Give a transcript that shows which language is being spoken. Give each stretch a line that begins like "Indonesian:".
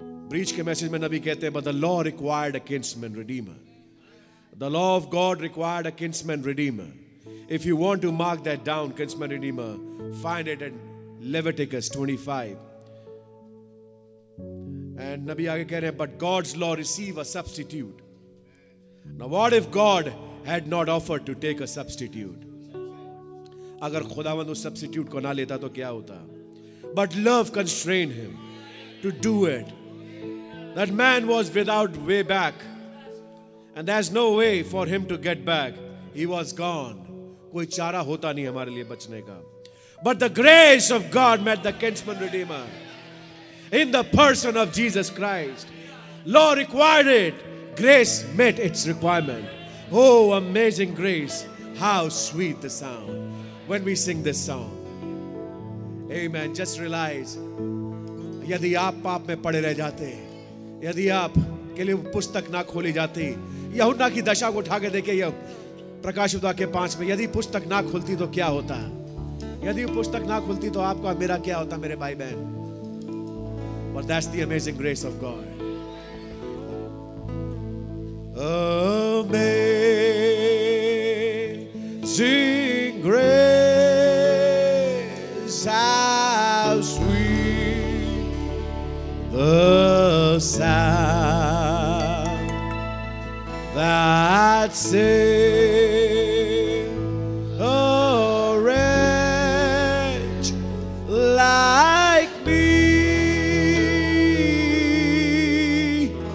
Hindi: Breach के message में नबी कहते हैं,
English: but the law required a kinsman redeemer, the law of God required a kinsman redeemer, if you want to mark that down, kinsman redeemer, find it and Leviticus 25, and
Hindi: Nabi aage keh rahe hain,
English: but God's law receive a substitute. Now what if God had not offered to take a substitute?
Hindi: Agar khudavand us substitute ko na leta to kya hota?
English: But love constrained him to do it. That man was without way back, and there's no way for him to get back. He was gone.
Hindi: Koi chara hota nahi hamare liye bachne ka.
English: But the grace of God met the kinsman redeemer in the person of Jesus Christ. Law required it. Grace met its requirement. Oh, amazing grace. How sweet the sound when we sing this song. Amen. Just realize,
Hindi: yadi aap paap mein pade reh jate, yadi aap ke liye pustak na kholi jati, Yahuda ki dasha ko utha ke dekhiye, ya Prakashita ke 5 mein, yadi pustak na khulti to kya hota? यदि पुस्तक ना खुलती तो आपका मेरा क्या होता मेरे भाई बहन?
English: But that's the amazing grace of God. Amazing grace, how sweet the sound that saved a wretch like me.